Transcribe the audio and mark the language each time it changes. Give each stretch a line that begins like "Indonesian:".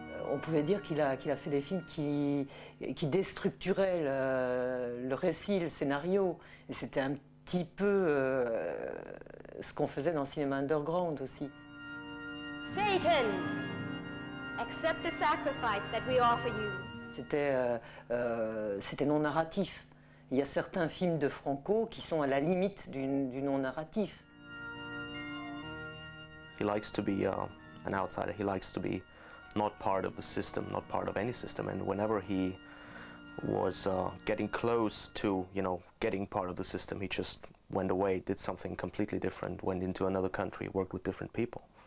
French: On pouvait dire qu'il a fait des films qui déstructuraient le récit, le scénario. Et c'était un petit peu ce qu'on faisait dans le cinéma underground aussi.
English: Satan, accept the sacrifice that we offer you.
French: C'était non narratif. Il y a certains films de Franco qui sont à la limite du non narratif.
English: He likes to be an outsider. He likes to be not part of the system, not part of any system. And whenever he was getting close to, you know, getting part of the system, he just went away, did something completely different, went into another country, worked with different people.